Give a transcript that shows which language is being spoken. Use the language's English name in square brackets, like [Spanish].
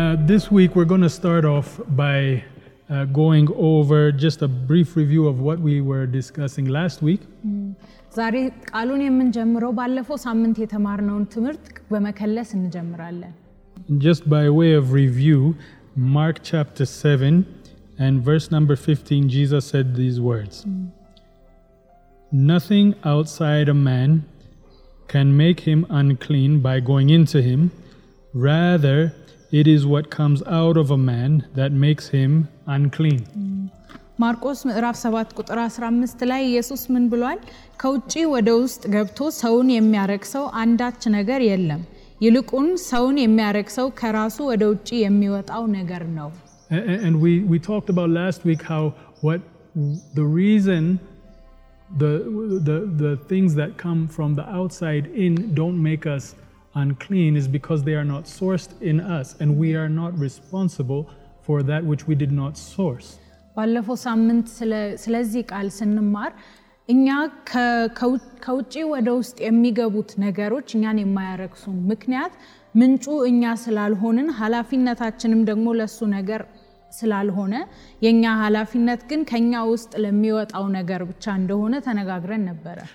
[English] This week we're going to start off by going over just a brief review of what we were discussing last week. [Amharic] ዛሬ ቃሉን የምንጀምረው ባለፈው ሳምንት የተማርነውን ትምህርት በመከለስ እንጀምራለን. [English] Just by way of review, Mark chapter 7 and verse number 15, Jesus said these words. Nothing outside a man can make him unclean by going into him. Rather, it is what comes out of a man that makes him unclean. [Amharic] ማርቆስ ምዕራፍ 7 ቁጥር 15 ላይ ኢየሱስ ምን ብሏል? ከውጪ ወደ ውስጥ ገብቶ ሰውን የሚያረክሰው አንዳች ነገር የለም. ይልቁን ሰውን የሚያረክሰው ከራሱ ወደ ውጪ የሚወጣው ነገር ነው. [English] And we talked about last week how what the reason the things that come from the outside in don't make us unclean is because they are not sourced in us and we are not responsible for that which we did not source. [Amharic] ባለፈ ሳምንት ስለዚህ ቃል ስንማር እኛ ከውጪ ወደ ውስጥ የሚገቡት ነገሮች እኛን የማያረክሱ ምክንያት ምንጩ እኛ ስላልሆንን ኃላፊነታችንም ደግሞ ለሱ ነገር ስላልሆነ የኛ ኃላፊነት ግን ከኛ ውስጥ ለሚወጣው ነገር ብቻ እንደሆነ ተነጋግረን ነበር.